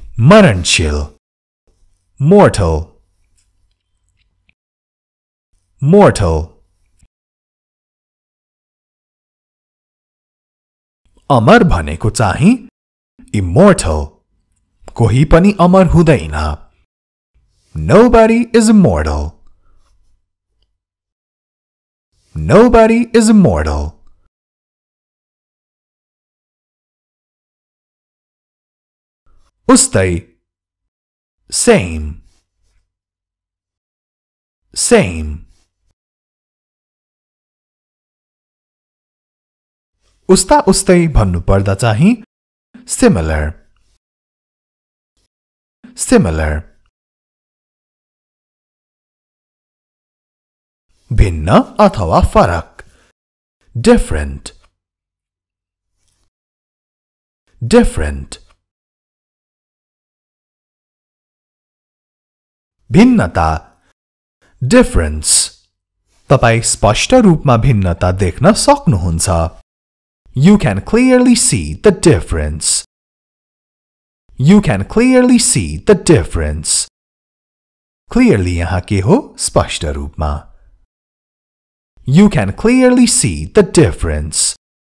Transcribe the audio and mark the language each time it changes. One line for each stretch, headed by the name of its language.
Nepali: मरणशील, mortal, mortal, अमर भने को चाहिँ immortal, कोही पनि अमर हुँदैन,
English: nobody is immortal, nobody is immortal. उस्तै, same, same.
Nepali: उस्ता उस्तै भन्नु पर्दा चाहिँ similar, similar. भिन्न अथवा फरक, different, different. भिन्नता, difference. तपाईं स्पष्ट रूपमा भिन्नता देख्न सक्नुहुन्छ.
English: You can clearly see the difference. You can clearly see the difference.
Nepali: Clearly यहाँ के हो स्पष्ट रूपमा.
English: You can clearly see the difference.